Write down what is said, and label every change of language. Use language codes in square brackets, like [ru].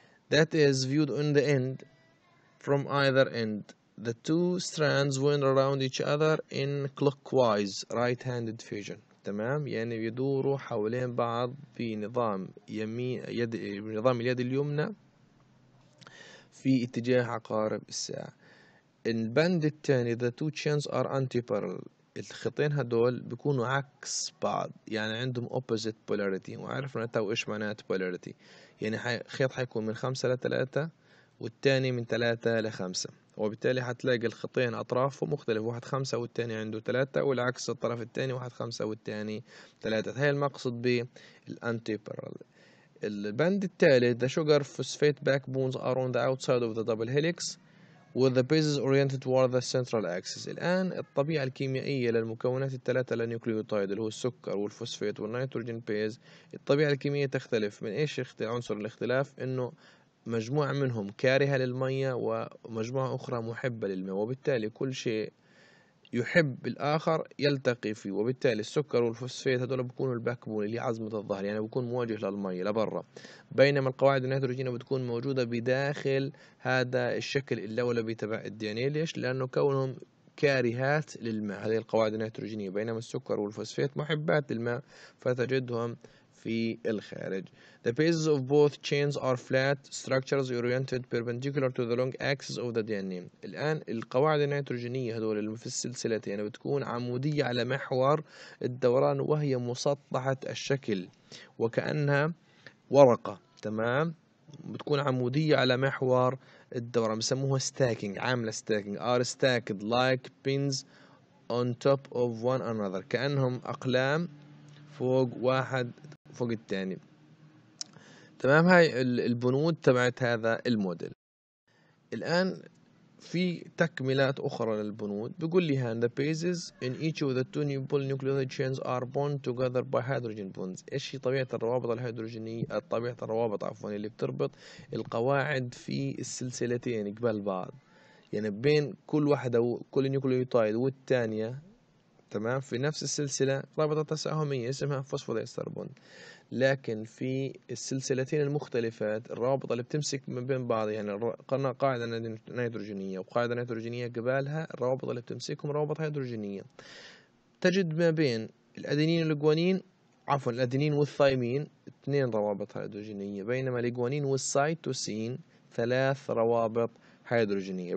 [en] That is viewed in the end from either end. The two strands wind around each other in clockwise right-handed fusion. [ar] تمام؟ يعني يدوروا حوالين بعض في نظام يمين يد نظام اليد اليمنى في اتجاه عقارب الساعة. [en] In band [ar] الثاني [en] the two chains are anti-parallel. [ar] الخطين هدول بيكونوا عكس بعض، يعني عندهم [en] opposite polarity. [ar] وعرفنا تو إيش معنات polarity. يعني خيط حيكون من 5 لـ 3 والتاني من 3 لـ 5، وبالتالي حتلاقي الخطين أطرافه مختلف، واحد 5 والتاني عنده 3، والعكس الطرف التاني واحد 5 والتاني 3. هاي المقصد بالأنتي بارالل. البند التالي [en] the sugar phosphate backbones are on the outside of the double helix with the bases oriented toward the central axis. [ar] الآن الطبيعة الكيميائية للمكونات الثلاثة للنيوكليوتايد اللي هو السكر والفوسفيت والنيتروجين بيز، الطبيعة الكيميائية تختلف من إيش عنصر الاختلاف، إنه مجموعة منهم كارهة للمية ومجموعة أخرى محبة للماء، وبالتالي كل شيء يحب الآخر يلتقي فيه، وبالتالي السكر والفوسفيت هدول بكونوا الباكبون اللي عزمة الظهر، يعني بكون مواجه للمية لبرا، بينما القواعد النيتروجينة بتكون موجودة بداخل هذا الشكل اللولبي تبع الDNA. ليش؟ لأنه كونهم كارهات للماء، هذه القواعد النيتروجينية، بينما السكر والفوسفيت محبات للماء فتجدهم في الخارج. [en] The bases of both chains are flat structures oriented perpendicular to the long axis of the DNA. [ar] الآن القواعد النيتروجينية هذول اللي في السلسلتين يعني بتكون عمودية على محور الدوران وهي مسطحة الشكل وكأنها ورقة، تمام، بتكون عمودية على محور الدوران، بسموها stacking، عاملة stacking، [en] are stacked like pins on top of one another، [ar] كأنهم أقلام فوق واحد فوق الثاني، تمام. هاي البنود تبعت هذا الموديل. الآن في تكملات أخرى للبنود، بيقول لي هان [en] the bases in each of the two new polynucleotide chains are bound together by hydrogen bonds. [ar] إيش هي طبيعة الروابط الهيدروجينية، طبيعة الروابط عفوا اللي بتربط القواعد في السلسلتين قبل بعض، يعني بين كل واحدة وكل نيوكليوتايد والتانية، تمام، في نفس السلسلة رابطة تساهمية اسمها فوسفوديستر بوند، لكن في السلسلتين المختلفات الرابطة اللي بتمسك من بين بعض، يعني قلنا قاعدة نيتروجينية وقاعدة نيتروجينية قبالها الرابطة اللي بتمسكهم رابطة هيدروجينية، تجد ما بين الأدينين والجوانين، عفوا الأدينين والثايمين، اثنين روابط هيدروجينية، بينما الجوانين والسايتوسين ثلاث روابط هيدروجينية.